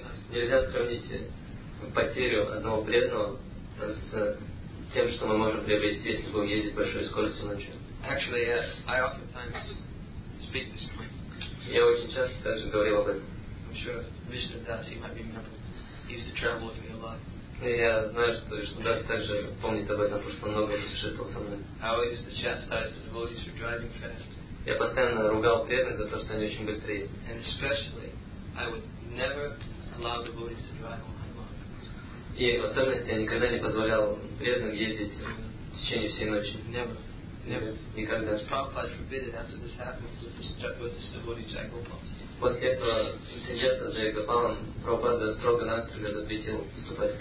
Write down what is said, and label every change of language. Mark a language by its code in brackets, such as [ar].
[ru] Нельзя сравнить потерю одного преданного с тем, что мы можем приобрести, если будем ездить большой скоростью ночью. [en] Actually, I oftentimes speak this point. [ru] Я очень часто также говорил об этом. [en] I'm sure Vishnudas, he might be remembered. He used to travel with me a lot. [ru] Я знаю, что Vishnudas также помнит об этом, потому что много путешествовал со мной. [en] I always used to chastise the devotees for driving fast. [ru] Я постоянно ругал преданных за то, что они очень быстро ездят. [en] And especially, I would never allow the devotees to drive all night long. [ru] И в особенности я никогда не позволял преданным ездить в течение всей ночи. [en] Never. [ru] Никогда. [en] Prabhupada forbidden after this happened with this devotee Jagopal. [ru] После этого инцидента с Джайгопалом Прабхупада строго-настрого запретил вступать в